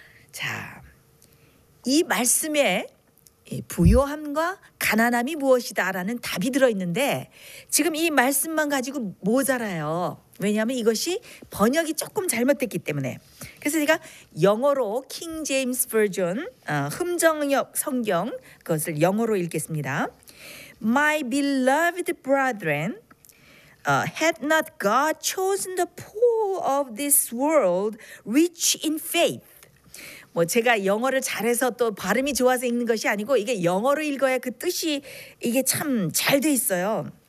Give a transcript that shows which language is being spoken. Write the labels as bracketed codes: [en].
[ko] 자, 이 말씀에 부요함과 가난함이 무엇이다라는 답이 들어있는데 지금 이 말씀만 가지고 모자라요. 왜냐하면 이것이 번역이 조금 잘못됐기 때문에. 그래서 제가 영어로 킹 제임스 버전 흠정역 성경 그것을 영어로 읽겠습니다. [en] My beloved brethren had not God chosen the poor of this world rich in faith. [ko] 뭐 제가 영어를 잘해서 또 발음이 좋아서 읽는 것이 아니고 이게 영어로 읽어야 그 뜻이 이게 참 잘 돼 있어요.